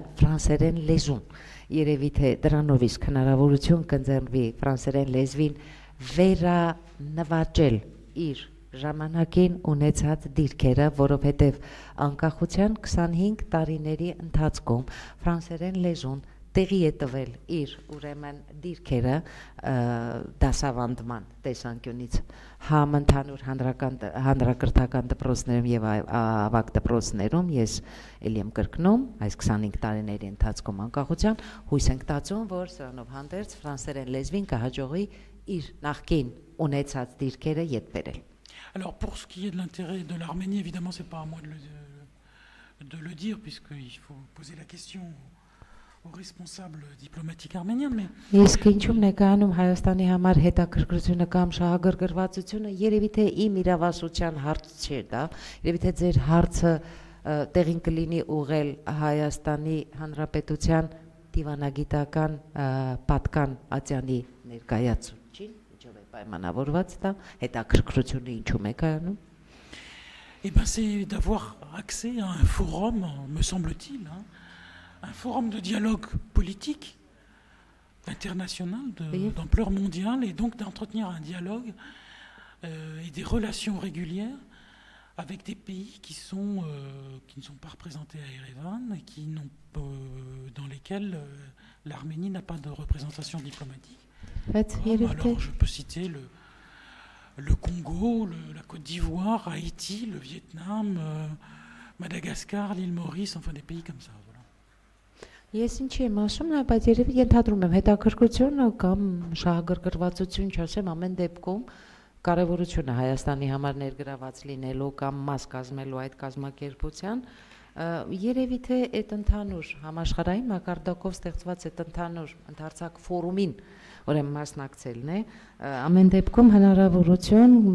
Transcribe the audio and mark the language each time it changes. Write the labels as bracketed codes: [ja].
[hy] Երևի թե դրանով իսկ հնարավորություն կընձեռվի ֆրանսերեն լեզվին վերանվաճել իր ժամանակին ունեցած դիրքերը, որովհետև անկախության 25 տարիների ընթացքում ֆրանսերեն լեզուն տեղի է տվել իր ուրեմն դիրքերը դասավանդման տեսանկյունից համընդհանուր հանրակրթական դպրոցներում եւ ավագ դպրոցներում. Ես էլ եմ կրկնում այս 25 տարիների ընթացքում անկախության, հույս ենք տածում, որ սրանով հանդերձ ֆրանսերեն լեզվին կհաջողի իր նախկին ունեցած դիրքերը ետ բերել. [fr] Alors pour ce qui est de l'intérêt de l'Arménie, évidemment c'est pas à moi de le dire puisque il faut poser la question aux responsables diplomatiques arméniens, mais [hy] իսկ ինչու՞ նկանում Հայաստանի համար հետաքրքրությունը կամ շահագրգռվածությունը, երևի թե իմ իրավասության հարց չէ, դա երևի թե ձեր հարցը տեղին կլինի ուղղել Հայաստանի Հանրապետության դիվանագիտական պատկան Ատյանի ներկայացուցիչին, ինչով է պայմանավորված դա, հետաքրքրությունը ինչու՞ մեկանում. [fr] Et ben c'est d'avoir accès à un forum, me semble-t-il, hein. Un forum de dialogue politique international d'ampleur mondiale et donc d'entretenir un dialogue et des relations régulières avec des pays qui ne sont pas représentés à Erevan et qui n'ont dans lesquels l'Arménie n'a pas de représentation diplomatique. Alors je peux citer le Congo, la Côte d'Ivoire, Haïti, le Vietnam, Madagascar, l'île Maurice, enfin des pays comme ça. [hy] Ես ինչի եմ ասում, նա բայց երևի ենթադրում եմ հետաքրքրությունը կամ շահագրգռվածություն, չասեմ, ամեն դեպքում կարևորությունը Հայաստանի համար ներգրաված լինելու կամ մաս կազմելու այդ կազմակերպության, երևի թե այդ ընդհանուր համաշխարհային մակարդակով ստեղծված այդ ընդհանուր ընդարձակ ֆորումին ուրեմն մասնակցելն է, ամեն դեպքում հնարավորություն